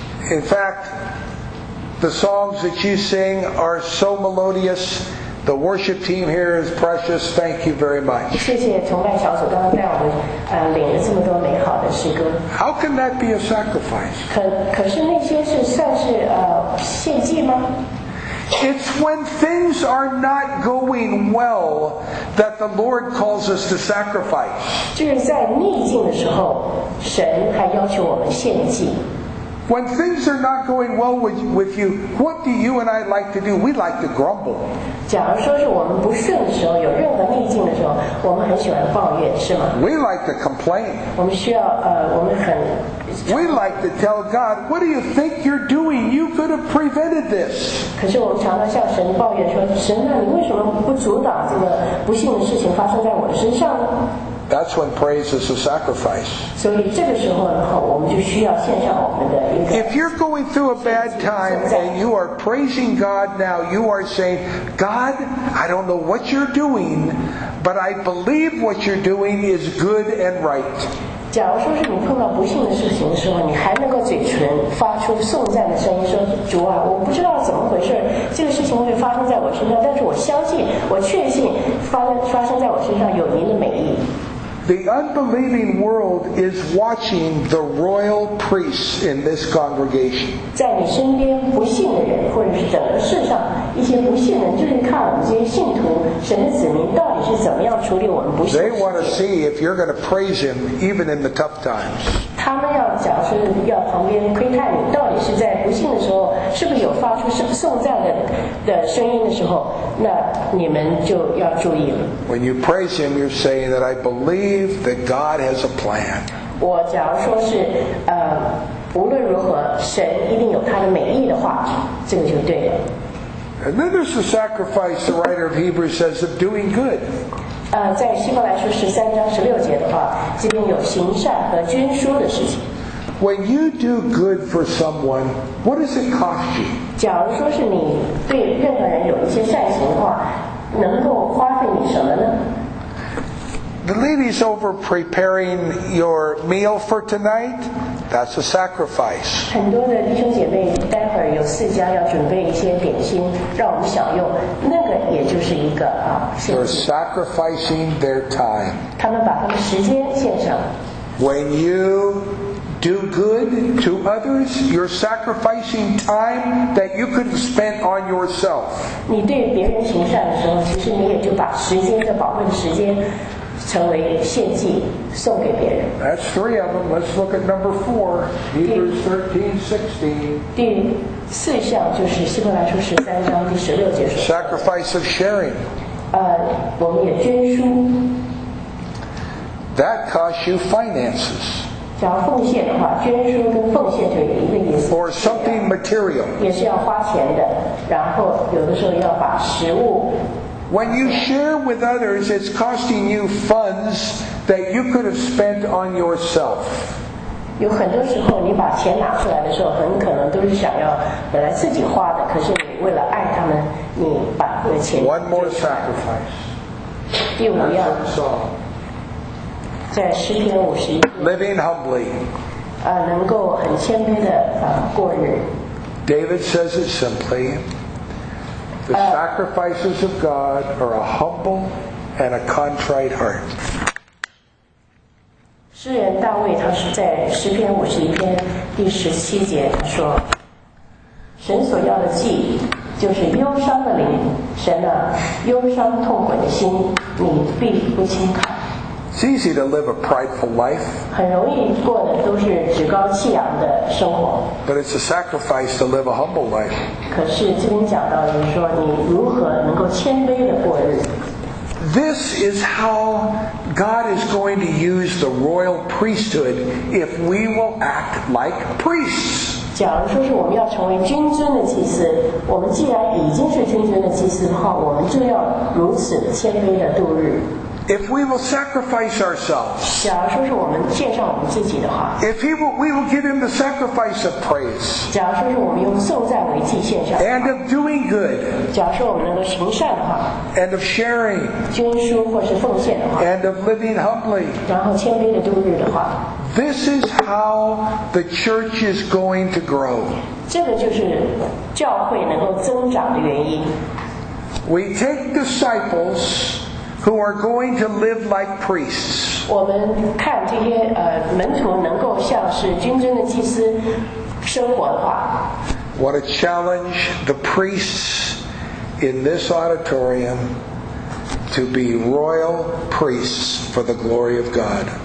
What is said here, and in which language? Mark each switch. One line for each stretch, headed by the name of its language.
English: In fact, the songs that you sing are so melodious. The worship team here is precious. Thank you very much.
Chinese: 谢谢崇拜小组刚刚带我们领了这么多美好的诗歌。
English: How can that be a sacrifice?
Chinese: 可是那些是算是献祭吗？
English: It's when things are not going well that the Lord calls us to sacrifice.
Chinese: 就是在逆境的时候，神还要求我们献祭。
English: When things are not going well with you, what do you and I like to do? We like to grumble.
Chinese: 假如说是我们不顺的时候，有任何逆境的时候，我们很喜欢抱怨，是吗？
English: We like to complain.
Chinese: 我们需要我们很。
English: We like to tell God, "What do you think you're doing? You could have prevented this."
Chinese: 可是我们常常向神抱怨说，神啊，你为什么不阻挡这个不幸的事情发生在我的身上呢？
English: That's when praise is a sacrifice.
Chinese: 所以这个时候呢，我们就需要献上我们的一个。
English: If you're going through a bad time and you are praising God now, you are saying, "God, I don't know what you're doing, but I believe what you're doing is good and right."
Chinese: 假如说是你碰到不幸的事情的时候，你还能够嘴唇发出颂赞的声音，说：“主啊，我不知道怎么回事，这个事情会发生在我身上，但是我相信，我确信发生在我身上有您的美意。”
English: The unbelieving world is watching the royal priests in this congregation.
Chinese: 在你身边不幸的人，或者是整个世上一些不幸的人，就是看我们这些信徒、神的子民到底是怎么样处理我们不幸的。
English: They want to see if you're going to praise him even in the tough times.
Chinese: 他们要假设要旁边窥探你到底是在不幸的时候，是不是有发出颂赞的声音的时候，那你们就要注意了。
English: When you praise him, you're saying that I believe that God has a plan.
Chinese: 我假如说是无论如何，神一定有他的美意的话，这个就对了。
English: And then there's the sacrifice, the writer of Hebrews says, of doing good.
Chinese: 在希伯来书十三章十六节的话，这边有行善和捐书的事情。
English: When you do good for someone, what does it cost you?
Chinese: 假如说是你对任何人有一些善行的话，能够花费你什么呢？
English: The lady's over preparing your meal for tonight. That's a sacrifice.
Chinese: 很多的弟兄姐妹待会儿有四家要准备一些点心让我们享用，那个也就是一个
English: They're sacrificing their time.
Chinese: 他们把他们时间献上。
English: When you do good to others, you're sacrificing time that you could spend on yourself.
Chinese: 你对别人行善的时候，其实你也就把时间的宝贵的时间成为献祭送给别人。
English: That's three of them. Let's look at number four. Hebrews 13:16.
Chinese: 第四项就是希伯来书十三章第十六节说。
English: Sacrifice of sharing.
Chinese: 我们也捐书。
English: That costs you finances.
Chinese: 假如奉献的话，捐书跟奉献就有一个意思。
English: Or something material.
Chinese: 也是要花钱的，然后有的时候要把食物。
English: When you share with others, it's costing you funds that you could have spent on yourself.
Chinese: 有很多时候你把钱拿出来的时候很可能都是想要本来自己花的，可是你为了爱他们你把钱。
English: One more sacrifice.
Chinese: 第五样，在诗篇五十一。
English: Living humbly.
Chinese: 能够很谦卑的过日。
English: David says it simply. The sacrifices of God are a humble and a contrite heart.
Chinese: 诗人大卫他是在诗篇五十一篇第十七节他说，神所要的祭就是忧伤的灵，神啊，忧伤痛苦的心你必不轻看。
English: It's easy to live a prideful life.
Chinese: 很容易过的都是趾高气扬的生活。
English: But it's a sacrifice to live a humble life.
Chinese: 可是这边讲到就是说你如何能够谦卑的过日。
English: This is how God is going to use the royal priesthood if we will act like priests.
Chinese: 假如说是我们要成为君尊的祭司，我们既然已经是君尊的祭司的话，我们就要如此谦卑的度日。
English: If we will sacrifice ourselves,
Chinese: 假如说是我们献上我们自己的话
English: ，If we will give him the sacrifice of praise,
Chinese: 假如说是我们用颂赞为祭献上
English: ，And of doing good,
Chinese: 假如说我们能够行善的话
English: ，And of sharing,
Chinese: 捐书或是奉献的话
English: ，And of living humbly,
Chinese: 然后谦卑的度日的话
English: ，This is how the church is going to grow.
Chinese: 这个就是教会能够增长的原因。
English: We take disciples. Who are going to live like priests?
Chinese: 我们看这些门徒能够像是君尊的祭司生活的话。
English: What a challenge the priests in this auditorium to be royal priests for the glory of God.